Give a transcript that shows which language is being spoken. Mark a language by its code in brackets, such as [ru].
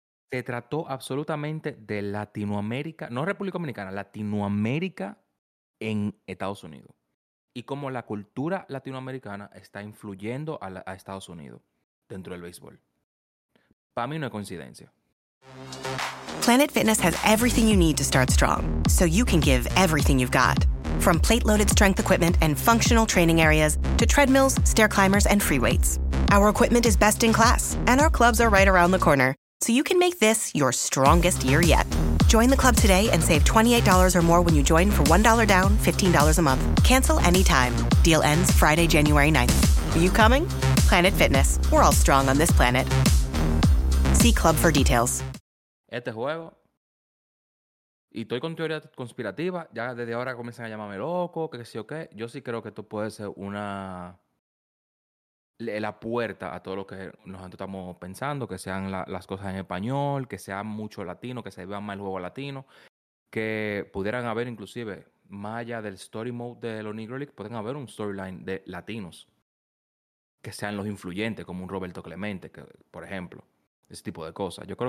[es] Se trató absolutamente de Latinoamérica, no República Dominicana, Latinoamérica en Estados Unidos. Y cómo la cultura latinoamericana está influyendo a Estados Unidos dentro del béisbol. Para mí no es coincidencia. [en] Planet Fitness has everything you need to start strong, so you can give everything you've got. From plate-loaded strength equipment and functional training areas to treadmills, stair climbers, and free weights. Our equipment is best in class, and our clubs are right around the corner, so you can make this your strongest year yet. Join the club today and save $28 or more when you join for $1 down, $15 a month. Cancel anytime. Deal ends Friday, January 9th. Are you coming? Planet Fitness. We're all strong on this planet. See club for details. [es] Este juego, y estoy con teoría conspirativa, ya desde ahora comienzan a llamarme loco, que sí o qué. Yo sí creo que esto puede ser una... la puerta a todo lo que nosotros estamos pensando, que sean las cosas en español, que sean mucho latino, que se vean más el juego latino, que pudieran haber inclusive, más allá del story mode de los Negro League, pueden haber un storyline de latinos, que sean los influyentes, como un Roberto Clemente, que, por ejemplo, ese tipo de cosas.